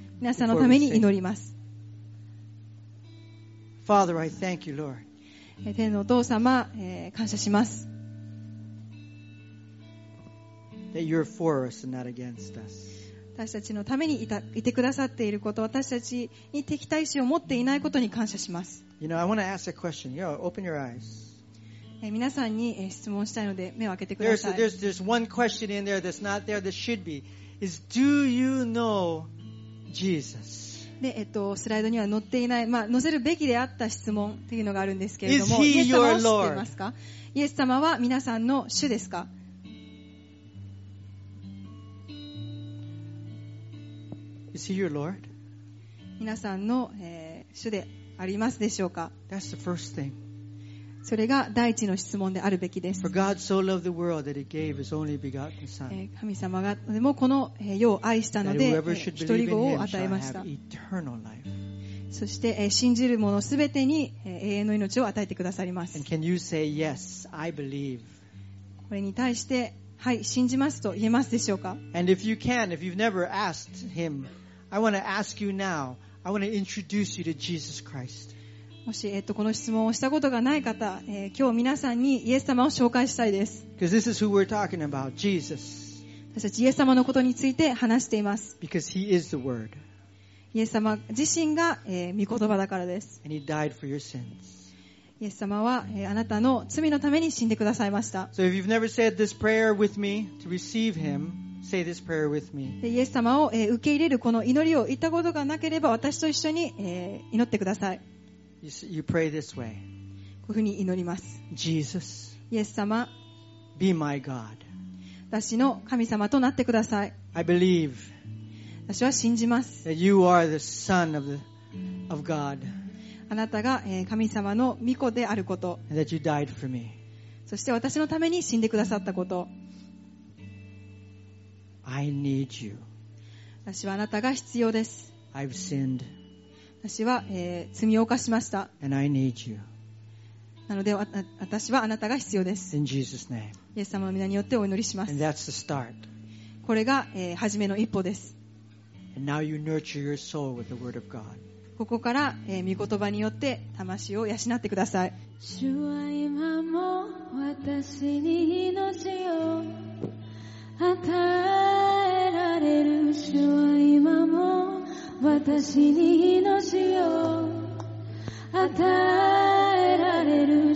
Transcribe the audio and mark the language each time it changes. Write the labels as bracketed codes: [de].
[ja] 皆さんのために祈ります。 [en] Father, I thank you, Lord. [ja] 天のお父様、感謝します。 [en] That you're for us and not against us. [ja] 私たちのためにいてくださっていること、私たちに敵対心を持っていないことに感謝します。 [en] You know, I want to ask a question. Yo, open your eyes. [ja] 皆さんに質問したいので目を開けてください。 [en] There's one question in there that's not there that should be. Is do you know Jesus? [ja] で、スライドには載っていない、まあ載せるべきであった質問っていうのがあるんですけれども、 [en] Is he your Lord? [ja] イエス様は皆さんの主ですか？ [en] Is he your Lord? [ja] 皆さんの、主でありますでしょうか? [en] That's the first thing. [ja] それが第一の質問であるべきです。 [en] For God so loved the world that he gave his only begotten Son. [ja] 神様がでもこの世を愛したので、一人子を与えました。 [en] Eternal life. [ja] そして、信じる者すべてに、永遠の命を与えてくださります。 [en] And can you say, yes, I believe? [ja] これに対してはい、信じますと言えますでしょうか? [en] And if you can, if you've never asked him, I want to ask you now. I want to introduce you to Jesus Christ. [ja] もし、この質問をしたことがない方、今日皆さんにイエス様を紹介したいです。 [en] Because this is who we're talking about, Jesus. [ja] 私たちイエス様のことについて話しています。 [en] Because he is the word. [ja] イエス様自身が、御言葉だからです。 [en] And he died for your sins. [ja] イエス様はあなたの罪のために死んでくださいました。 [en] So if you've never said this prayer with me to receive him, say this prayer with me. [ja] イエス様を受け入れるこの祈りを言ったことがなければ私と一緒に祈ってください。 [en] You pray this way. [ja] こういうふうに祈ります。 [en] Jesus. [ja] イエス様。 [en] Be my God. [ja] 私の神様となってください。 [en] I believe. [ja] 私は信じます。 [en] That you are the Son of God. [ja] あなたが神様の御子であること、 [en] that you died for me. [ja] そして私のために死んでくださったこと、 [en] I need you. [ja] 私はあなたが必要です。 [en] I've sinned. [ja] 私は、罪を犯しました。 [en] And I need you. [ja] なので私はあなたが必要です。 [en] In Jesus' name. [ja] イエス様の名によってお祈りします。 [en] And that's the start. [ja] これが、初めの一歩です。 [en] And now you nurture your soul with the word of God. [ja] ここから、御言葉によって魂を養ってください。主は今も私に命を与えられる。主は今も私に命を与えられる。